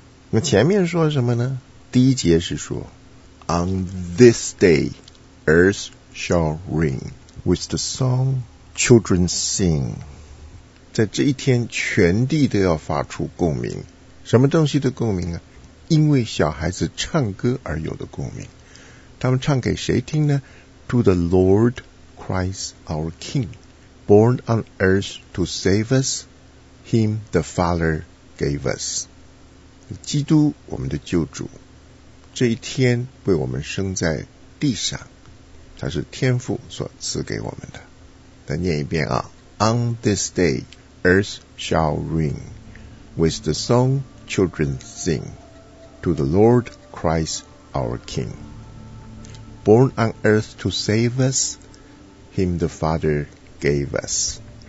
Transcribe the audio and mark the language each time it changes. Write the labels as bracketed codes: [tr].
[zh] 那前面说什么呢？第一节是说 [en] On this day, earth shall ring with the song children sing. [zh] 在这一天，全地都要发出共鸣。什么东西的共鸣啊？因为小孩子唱歌而有的共鸣。他们唱给谁听呢？ [en] To the Lord Christ our King, born on earth to save us, Him the Father gave us. [zh] 基督，我们的救主。这一天为我们生在地上，它是天父所赐给我们的。再念一遍啊 [en] ，On this day, earth shall ring with the song children sing to the Lord Christ our King, born on earth to save us, Him the Father gave us.